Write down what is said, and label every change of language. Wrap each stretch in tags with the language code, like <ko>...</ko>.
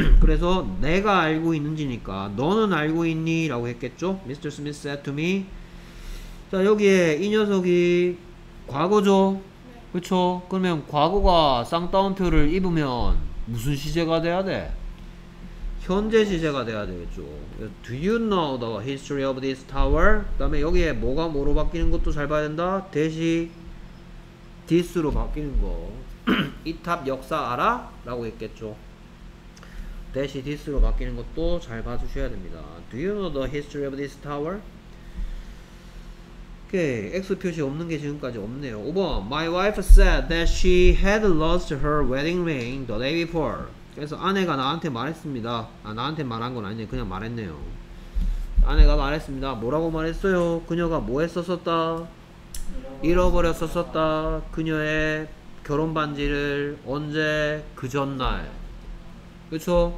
<ko>그래서 내가 알고 있는지니까 너는 알고 있니? 라고 했겠죠?</ko> <en>Mr. Smith said to me.</en> <ko>자, 여기에 이 녀석이 과거죠? 네. 그쵸? 그러면 과거가 쌍따옴표를 입으면 무슨 시제가 돼야 돼? 현재 시제가 돼야 되겠죠.</ko> <en>Do you know the history of this tower?</en> <ko>그 다음에 여기에 뭐가 뭐로 바뀌는 것도 잘 봐야 된다? 대시 this로 바뀌는 거. 이 탑 역사 알아? 라고 했겠죠. 대시 this로 바뀌는 것도 잘 봐주셔야 됩니다.</ko> <en>Do you know the history of this tower?</en> <ko>오케이. X 표시 없는 게 지금까지 없네요. 5번.</ko> <en>My wife said that she had lost her wedding ring the day before.</en> <ko>그래서 아내가 나한테 말했습니다. 아, 나한테 말한 건 아니네. 그냥 말했네요. 아내가 말했습니다. 뭐라고 말했어요? 그녀가 뭐 했었었다? 잃어버렸었었다. 그녀의 결혼 반지를 언제? 그 전날. 그쵸?</ko>